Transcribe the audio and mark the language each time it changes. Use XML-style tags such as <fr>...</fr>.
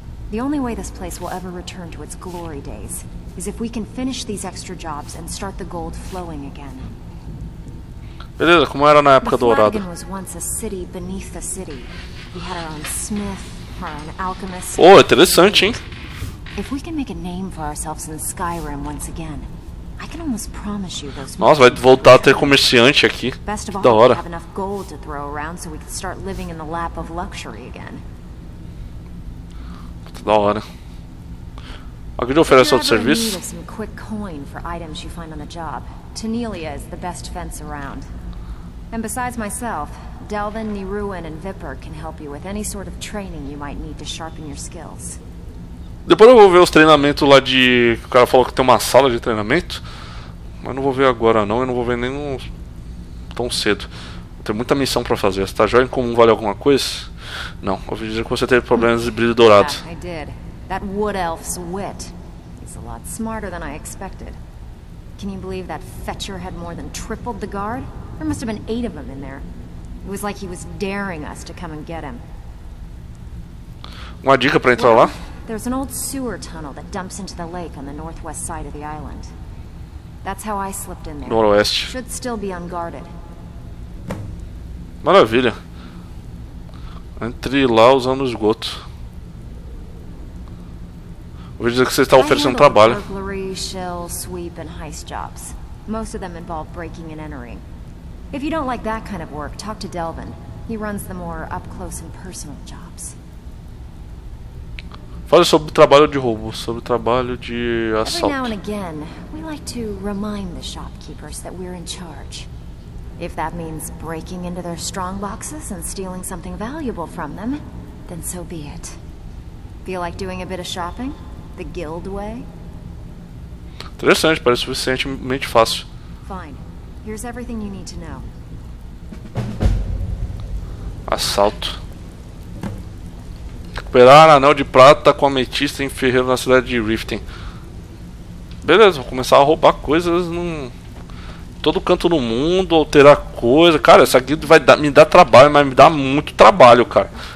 <en>The only way this place will ever return to its glory days is if we can finish these extra jobs and start the gold flowing again.</en> <pt>Beleza, como era na época dourada.</pt> <en>The Flagon was once a city beneath the city. We had our own smith, our own alchemist.</en> <pt>Oh, interessante, hein?</pt> <en>If we can make a name for ourselves in Skyrim once again, I can almost promise you those.</en> <pt>Nossa, vai voltar a ter comerciante aqui.</pt> <en>Best of all,</en> <pt>da hora.</pt> <en>We have enough gold to throw around so we can start living in the lap of luxury again.</en> <pt>Da hora. Alguém oferece outro serviço?</pt> <en>Need some quick coin for items you find on the job. Tenelia is the best fence around. And besides myself, Delvin, Niruin and Vipper can help you with any sort of training you might need to sharpen your skills.</en> <pt>Depois eu vou ver os treinamentos lá de... O cara falou que tem uma sala de treinamento. Mas não vou ver agora não, eu não vou ver nenhum tão cedo. Tem muita missão pra fazer. Essa joia em comum vale alguma coisa? Não, ouvi dizer que você teve problemas de brilho dourado. Sim, eu fiz. Aquele</pt> <en>wood elf's wit.</en> <pt>Ele é muito mais do que eu esperava. Você pode acreditar que o Fetcher tinha mais do que triplo o guard? Deve ter sido 8 deles lá. Era como se ele nos</pt> <en>daring us to come and get him.</en> <pt>Uma dica pra entrar lá?</pt> <en>There's an old sewer tunnel that dumps into the lake on the northwest side of the island. That's how I slipped in there.</en> <pt>Noroeste.</pt> <en>Should still be unguarded.</en> <pt>Maravilha. Entre lá usando esgoto. Vou dizer que você está oferecendo trabalho.</pt> <en>Burglary, shell, sweep, and heist jobs. Most of them involve breaking and entering. If you don't like that kind of work, talk to Delvin. He runs the more up close and personal jobs.</en> <pt>Fale sobre o trabalho de roubo, sobre o trabalho de assalto.</pt> <en>Every now and again, we like to remind the shopkeepers that we're in charge. If that means breaking into their strong boxes and stealing something valuable from them, then so be it. Feel like doing a bit of shopping? The guild way?</en> <pt>Interessante, parece suficientemente fácil.</pt> <en>Fine. Here's everything you need to know.</en> <pt>Assalto. Recuperar anel de prata com ametista em ferreiro na cidade de Riften. Beleza, vou começar a roubar coisas em todo canto do mundo, alterar coisa. Cara, essa guild vai me dar trabalho, mas me dá muito trabalho, cara.</pt>